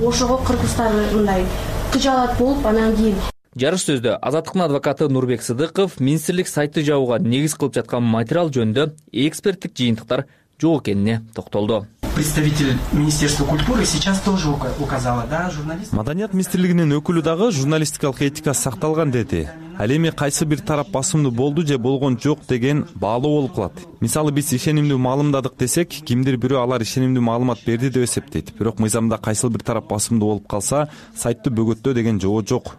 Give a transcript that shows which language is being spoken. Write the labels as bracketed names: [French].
[Kyrgyz] Ошого кыргызстан мындай кыжалат болуп анан кийин. Жарыш сөздө азаттыктын адвокаты Нурбек Сыдыков министрлик сайты жабууга негиз кылып жаткан материал жөнүндө эксперттик жыйынтыктар жок экенине токтолду. [Russian] Представитель Министерства культуры сейчас тоже указала, да, журналист. [Kyrgyz] Маданият министрлигинин өкүлү дагы журналистикалык этика сакталган деди. Ал эми кайсы бир тарап басымдуу болду же болгон жок деген баалоо болуп калат. Мисалы биз ишенимдүү маалымдадык десек, кимдир бирөө алар ишенимдүү маалымат берди деп эсептейт. Бирок мыйзамда кайсыл бир тарап басымдуу болуп калса, сайтты бөгөттөө деген жоо жок.